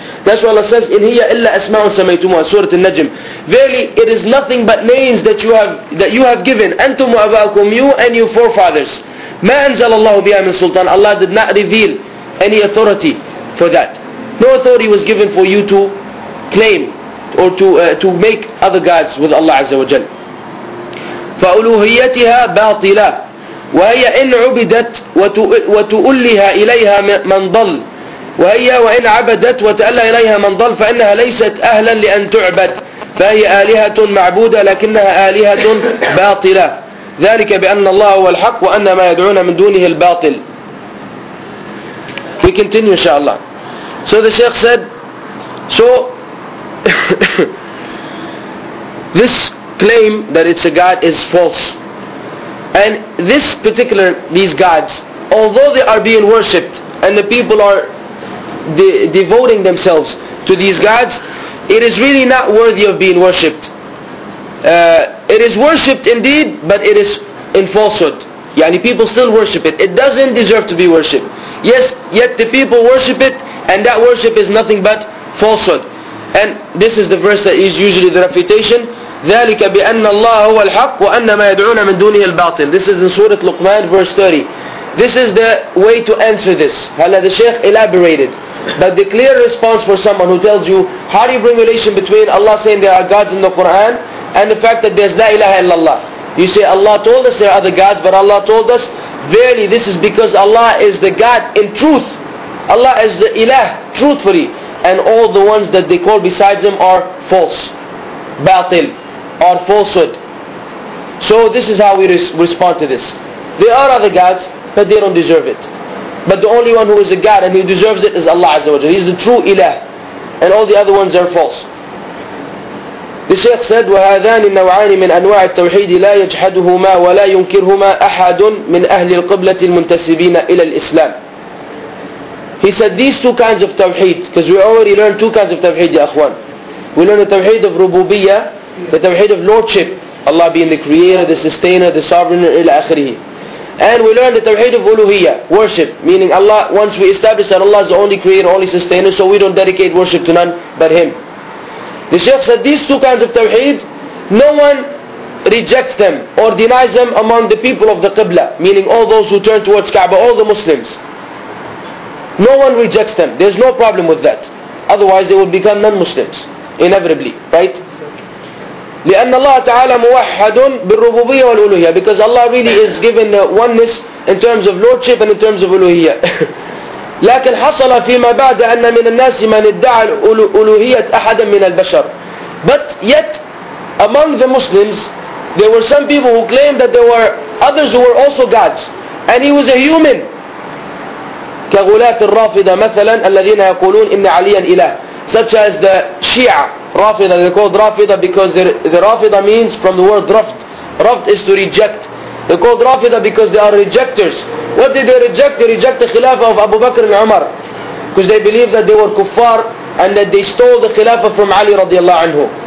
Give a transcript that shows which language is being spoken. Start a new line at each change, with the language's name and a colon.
English: That's why Allah says,
Arabic: "In hiya illa asma'un samaytumuha,"
English: Surah Al-Najm. Verily, it is nothing but names that you have given.
Arabic: Antum wa abakum,
English: you and your forefathers.
Arabic: Ma anzal Allahu biha min sultan.
English: Allah did not reveal any authority for that. No authority was given for you to claim or to make other gods with Allah Azza wa Jalla.
Arabic: فَأُلُوهِيَتِهَا بَاطِلَةٌ وهي إن عبدت وتؤلها إليها من ضل وهي وإن عبدت وتألى إليها من ضل فإنها ليست أهلا لأن تعبد فهي آلهة معبودة لكنها آلهة باطلة ذلك بأن الله هو الحق وأن ما يدعون من دونه الباطل.
English: We continue
Arabic: إن شاء الله.
English: So the Shaykh said, so this claim that it's a god is false. And this particular, these gods, although they are being worshipped and the people are devoting themselves to these gods, it is really not worthy of being worshipped. It is worshipped indeed, but it is in falsehood. Yani people still worship it. It doesn't deserve to be worshipped. Yes, yet the people worship it, and that worship is nothing but falsehood. And this is the verse that is usually the refutation.
Arabic: ذلك بأن الله هو الحق وأن ما يدعون من دونه الباطل.
English: This is in Surah Luqman, verse 30. This is the way to answer this. Allah, the Shaykh elaborated. But the clear response for someone who tells you, how do you bring relation between Allah saying there are gods in the Quran and the fact that there's
Arabic: la ilaha illallah?
English: You say, Allah told us there are other gods, but Allah told us Verily, this is because Allah is the God in truth. Allah is the Ilah, truthfully. And all the ones that they call besides Him are false. Batil, or falsehood. So this is how we respond to this. There are other gods, but they don't deserve it. But the only one who is a God and who deserves it is Allah Azza wa Jalla. He is the true Ilah. And all the other ones are false. The Shaykh said,
Arabic: وَهَذَانِ النَّوْعَانِ مِنْ أَنْوَاعِ التَّوْحِيدِ لَا يَجْحَدُهُمَا وَلَا يُنْكِرْهُمَا أَحَدٌ مِنْ أَهْلِ الْقِبْلَةِ الْمُنْتَسِبِينَ إِلَى الْإِسْلَامِ.
English: He said, these two kinds of tawheed, because we already learned two kinds of tawheed,
Arabic: ya akhwan.
English: We learned the tawheed of rububiyya, the tawheed of lordship, Allah being the creator, the sustainer, the sovereign,
Arabic: إلى آخره.
English: And we learned the tawheed of uluhiyya, worship, meaning Allah, once we establish that Allah is the only creator, only sustainer, so we don't dedicate worship to none but Him. The Shaykh said these two kinds of tawheed, no one rejects them or denies them among the people of the Qibla, meaning all those who turn towards Kaaba, all the Muslims. No one rejects them. There's no problem with that. Otherwise they will become non-Muslims, inevitably, right?
Arabic: لِأَنَّ اللَّهَ تَعَالَى مُوَحَّدٌ بِالرُّبُوبِيَّ وَالْأُلُوهِيَّ.
English: Because Allah really is given oneness in terms of lordship and in terms of uluhiyya.
Arabic: لكن حصل فيما بعد أن من الناس من ادعى الألوهية أحدا من البشر.
English: But yet, among the Muslims, there were some people who claimed that there were others who were also gods, and he was a human.
Arabic: كغلاة الرافضة مثلا الذين يقولون إن عليا إله.
English: Such as the Shia, رافضة, they're called رافضة because the رافضة means from the word رفض. رفض is to reject. They're called Rafida because they are rejectors. What did they reject? They reject the Khilafah of Abu Bakr and Umar. Because they believe that they were kuffar and that they stole the Khilafah from Ali radiallahu anhu.